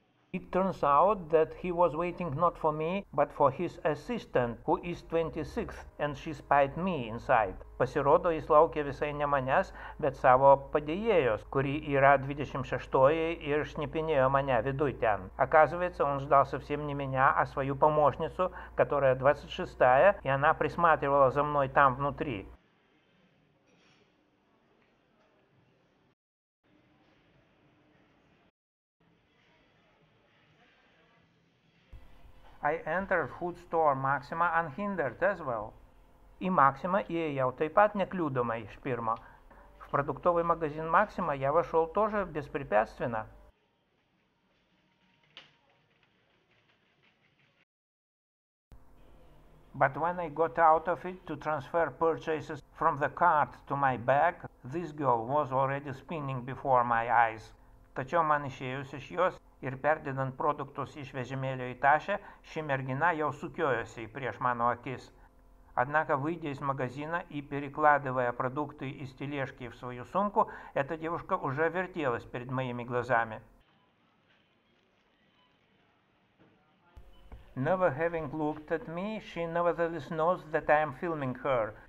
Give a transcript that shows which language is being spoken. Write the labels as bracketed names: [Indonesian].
[English] It turns out that he was waiting not for me, but for his assistant, who is 26th, and she spied me inside. [Lithuanian] Pasirodo, jis laukė visai ne manęs, bet savo padėjėjos, kuri yra 26-oji ir šnipinėjo mane viduj ten. [Russian] Оказывается, он ждал совсем не меня, а свою помощницу, которая 26-я, и она присматривала за мной там внутри. [English] I entered food store Maxima unhindered as well. [Lithuanian] И Максима įėjau taip pat nekliūdomai iš pirmo. [Russian] В продуктовый магазин Максима я вошел тоже беспрепятственно. [English] But when I got out of it to transfer purchases from the cart to my bag, this girl was already spinning before my eyes. [Lithuanian] Tačiau man išėjus iš jos, ir perdedant produktus iš vežimėlio į tašę, ši mergina jau sukiojosi prieš mano akis. [Russian] Однако, выйдя из магазина и перекладывая продукты из тележки в свою сумку, эта девушка уже вертелась перед моими глазами. [English] Never having looked at me, she nevertheless knows that I am filming her.